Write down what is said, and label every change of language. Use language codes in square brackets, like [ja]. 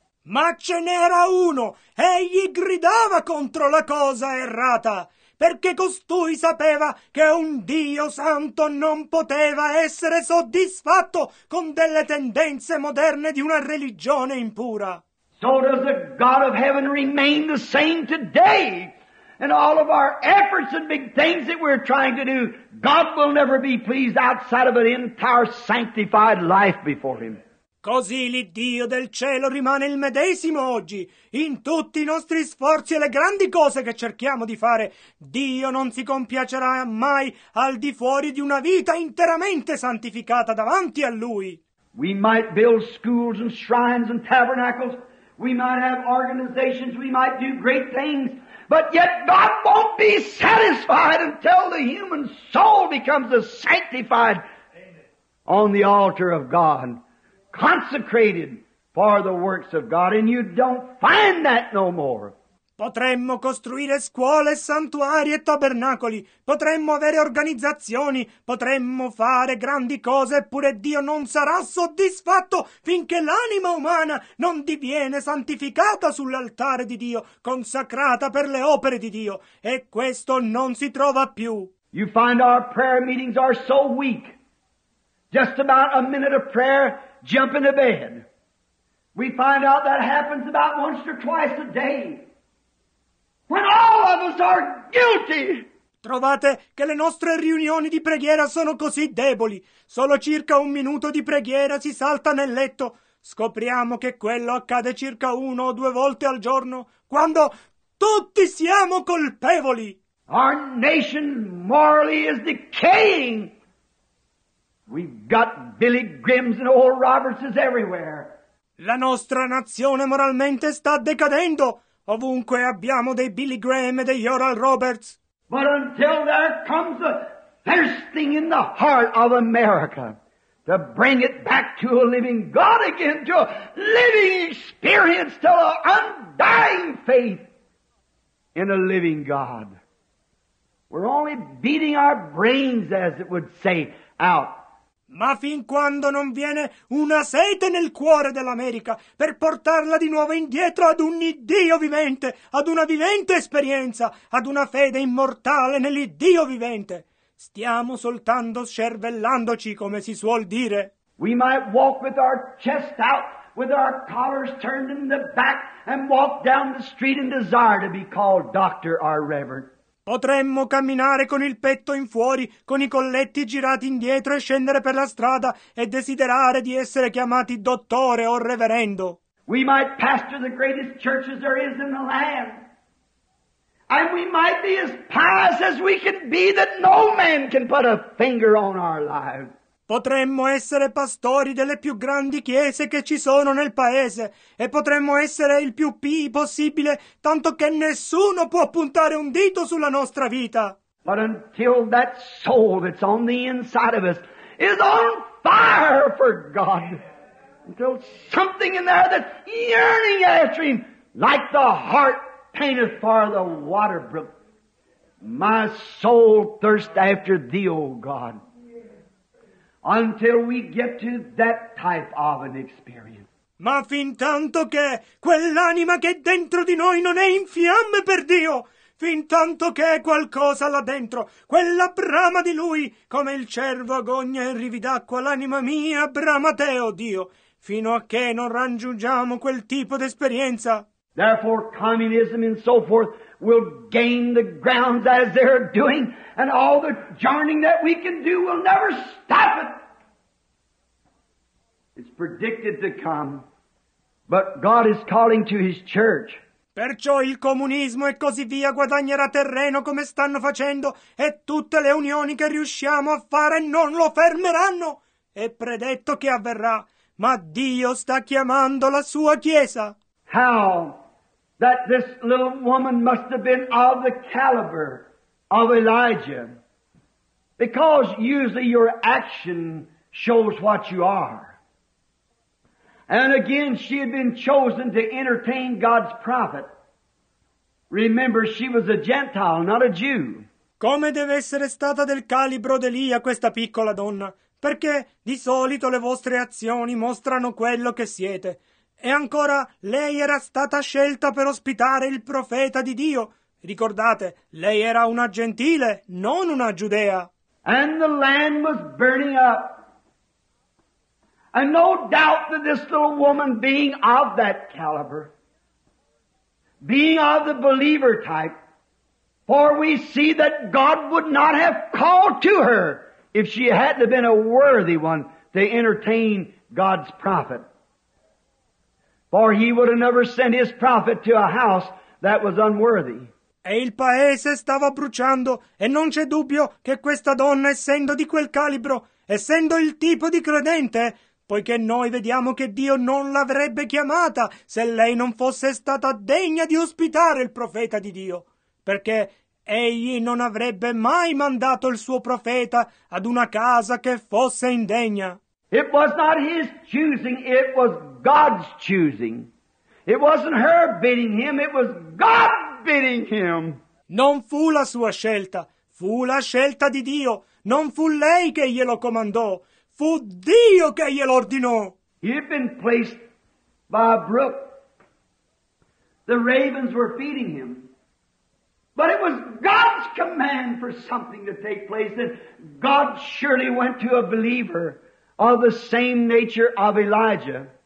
[it] Ma ce n'era uno, egli gridava contro la cosa errata, perché costui sapeva che un Dio santo non poteva essere soddisfatto con delle tendenze moderne di una religione impura. [en] So does the God of heaven remain the same today? And all of our efforts and big things that we're trying to do, God will never be pleased outside of an entire sanctified life before Him. [it] Così l'Iddio del cielo rimane il medesimo oggi. In tutti i nostri sforzi e le grandi cose che cerchiamo di fare, Dio non si compiacerà mai al di fuori di una vita interamente santificata davanti a Lui. [en] We might build schools and shrines and tabernacles. We might have organizations. We might do great things. But yet God won't be satisfied until the human soul becomes a sanctified on the altar of God, consecrated for the works of God, and you don't find that no more. [it] Potremmo costruire scuole, santuari e tabernacoli, potremmo avere organizzazioni, potremmo fare grandi cose, eppure Dio non sarà soddisfatto finché l'anima umana non diviene santificata sull'altare di Dio, consacrata per le opere di Dio, e questo non si trova più. [en] You find our prayer meetings are so weak, just about a minute of prayer, jump into bed. We find out that happens about once or twice a day. When all of us are guilty. [it] Trovate che le nostre riunioni di preghiera sono così deboli. Solo circa un minuto di preghiera si salta nel letto. Scopriamo che quello accade circa uno o due volte al giorno, quando tutti siamo colpevoli. [en] Our nation morally is decaying. We've got Billy Grimms and Old Roberts everywhere. [it] La nostra nazione moralmente sta decadendo. Ovunque abbiamo dei Billy Graham e degli Oral Roberts. [en] But until there comes a thirsting in the heart of America to bring it back to a living God again, to a living experience, to an undying faith in a living God. We're only beating our brains, as it would say, out. [it] Ma fin quando non viene una sete nel cuore dell'America per portarla di nuovo indietro ad un Iddio vivente, ad una vivente esperienza, ad una fede immortale nell'Iddio vivente, stiamo soltanto scervellandoci, come si suol dire. [en] We might walk with our chest out, with our collars turned in the back, and walk down the street and desire to be called Doctor or Reverend. [it] Potremmo camminare con il petto in fuori, con i colletti girati indietro e scendere per la strada e desiderare di essere chiamati dottore o reverendo. [en] We might pastor the greatest churches there is in the land. And we might be as pious as we can be, that no man can put a finger on our lives. [it] Potremmo essere pastori delle più grandi chiese che ci sono nel paese, e potremmo essere il più pii possibile, tanto che nessuno può puntare un dito sulla nostra vita. [en] But until that soul that's on the inside of us is on fire for God, until something in there that's yearning after Him, like the heart panteth for the water brook, my soul thirsts after Thee, O God. Until we get to that type of an experience. [it] Ma fin tanto che quell'anima che dentro di noi non è in fiamme per Dio, fin tanto che qualcosa là dentro, quella brama di Lui, come il cervo agogna e rividacqua l'anima mia, brama te, oh Dio, fino a che non raggiungiamo quel tipo d'esperienza. [en] Therefore communism and so forth will gain the grounds as they're doing, and all the journeying that we can do will never stop it. It's predicted to come, but God is calling to His church. [it] Perciò il comunismo e così via guadagnerà terreno come stanno facendo, e tutte le unioni che riusciamo a fare non lo fermeranno. È predetto che avverrà, ma Dio sta chiamando la sua chiesa. [en] How? That this little woman must have been of the caliber of Elijah. Because usually your action shows what you are. And again, she had been chosen to entertain God's prophet. Remember, she was a Gentile, not a Jew. [it] Come deve essere stata del calibro d'Elia questa piccola donna? Perché di solito le vostre azioni mostrano quello che siete. E ancora, lei era stata scelta per ospitare il profeta di Dio, Ricordate, lei era una gentile, non una giudea. [en] And the land was burning up. And no doubt that this little woman, being of that caliber, being of the believer type, for we see that God would not have called to her if she hadn't been a worthy one to entertain God's prophet. For he would have never sent his prophet to a house that was unworthy. E il paese stava bruciando, e non c'è dubbio che questa donna, essendo di quel calibro, essendo il tipo di credente, poiché noi vediamo che Dio non l'avrebbe chiamata se lei non fosse stata degna di ospitare il profeta di Dio, perché egli non avrebbe mai mandato il suo profeta ad una casa che fosse indegna. It was not his choosing, it was God's choosing. It wasn't her bidding him, it was God bidding him. [it] Non fu la sua scelta, fu la scelta di Dio. Non fu lei che glielo comandò, fu Dio che glielo ordinò. [en] He had been placed by a brook. The ravens were feeding him. But it was God's command for something to take place, and God surely went to a believer of the same nature of Elijah.